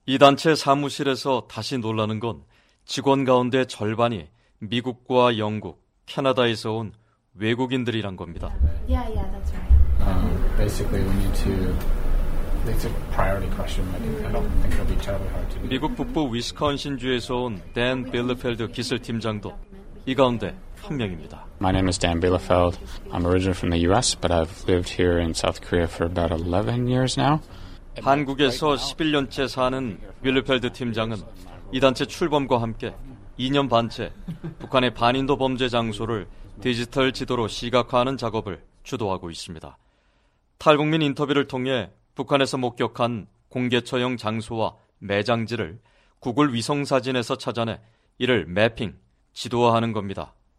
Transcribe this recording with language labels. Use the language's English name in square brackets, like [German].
[Korean] 이 단체 사무실에서 다시 놀라는 건 직원 가운데 절반이 미국과 영국, 캐나다에서 온 외국인들이란 겁니다. [English] Priority question. [Korean] 미국 북부 위스콘신주에서 온 댄 빌러펠드 기술팀장도 이 가운데 한 명입니다. [English] My name is Dan Bielefeld. I'm originally from the U.S. but I've lived here in South Korea for about 11 years now. [Korean] 한국에서 11년째 사는 빌러펠드 팀장은 이 단체 출범과 함께 2년 반째 북한의 반인도 범죄 장소를 디지털 지도로 시각화하는 작업을 주도하고 있습니다. 탈북민 인터뷰를 통해 북한에서 목격한 공개 처형 장소와 매장지를 구글 위성사진에서 찾아내 이를 매핑, 지도화하는 겁니다.